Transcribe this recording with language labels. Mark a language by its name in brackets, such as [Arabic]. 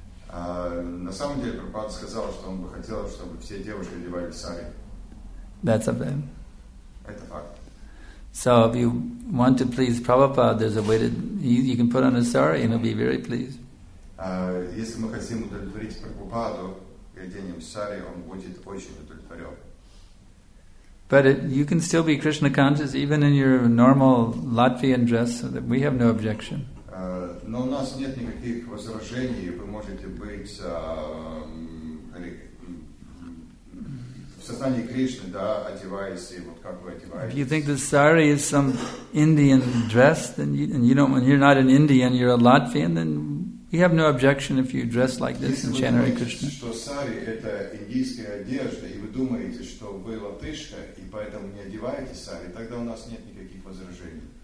[Russian] На самом деле, Прабхупада сказал, что он бы хотел, чтобы все девушки одевали сари. [English] That's a fact. [Russian] Это факт. [English] So, if you want to please Prabhupada, there's a way to you can put on a sari and he'll be very pleased. [Russian] Если мы хотим удовлетворить Прабхупаду и оденем сари, он будет очень удовлетворен. [English] But you can still be Krishna conscious even in your normal Latvian dress. So that we have no objection. [Russian] Но у нас нет никаких возражений. Вы можете быть в сознании Кришны, да, одеваясь, и вот как вы одеваетесь. [English] If you think the sari is some Indian dress, then you're not an Indian, you're a Latvian, then we have no objection if you dress like this in chanting Hare Krishna. [Russian] Если вы думаете, что сари это индийская одежда, и вы думаете, что вы латышка, и поэтому не одеваете сари, тогда у нас нет никаких возражений.